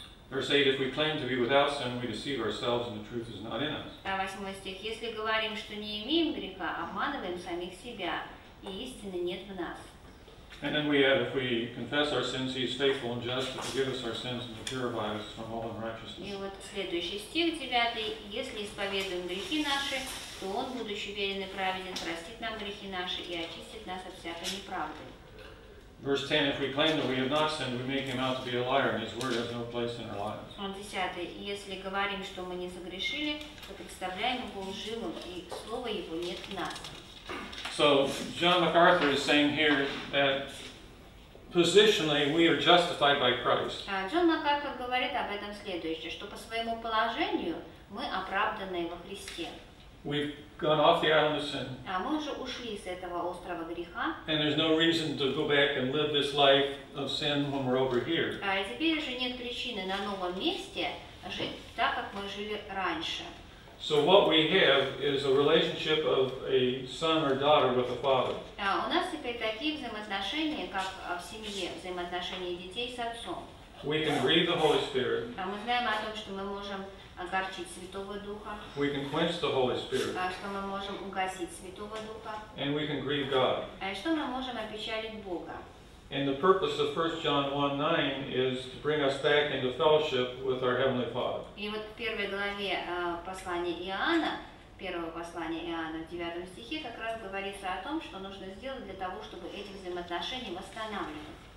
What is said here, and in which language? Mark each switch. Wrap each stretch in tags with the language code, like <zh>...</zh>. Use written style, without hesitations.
<en>Verse 8, if we claim to be without sin, we deceive ourselves and the truth is not in us.</en> <ru>А восьмой стих, если говорим, что не имеем греха, обманываем самих себя, и истины нет в нас.</ru> <en>And then we add, if we confess our sins, he is faithful and just to forgive us our sins and to purify us from all unrighteousness.</en> <ru>И вот следующий стих, девятый, если исповедуем грехи наши, то он, будучи верен и праведен, простит нам грехи наши и очистит нас от всякой неправды.</ru> <en>Verse 10, if we claim that we have not sinned, we make him out to be a liar, and his word has no place in our lives.</en> <ru>Он десятый. Если говорим, что мы не согрешили, то представляем его лживым, и слова его нет в нас.</ru> <en>So, John MacArthur is saying here that positionally we are justified by Christ.</en> <ru>Джон МакАртур говорит об этом следующее, что по своему положению мы оправданы во Христе.</ru> <en>We've gone off the island of sin.</en> <ru>А мы уже ушли с этого острова греха.</ru> <en>And there's no reason to go back and live this life of sin when we're over here.</en> <ru>А теперь уже нет причины на новом месте жить так, как мы жили раньше.</ru> <en>So what we have is a relationship of a son or daughter with a father.</en> <ru>А у нас теперь такие взаимоотношения, как в семье, взаимоотношения детей с отцом.</ru> <en>We can grieve the Holy Spirit.</en> <ru>А мы знаем о том, что мы можем огорчить Святого Духа.</ru> <en>We can quench the Holy Spirit.</en> <ru>А что мы можем угасить Святого Духа.</ru> <en>And we can grieve God.</en> <ru>А что мы можем опечалить Бога.</ru> <en>And the purpose of 1 John 1:9 is to bring us back into fellowship with our Heavenly Father.</en> <ru>И вот в первой главе послания Иоанна, первого послания Иоанна в 9 стихе, как раз говорится о том, что нужно сделать для того, чтобы эти взаимоотношения восстанавливать.</ru>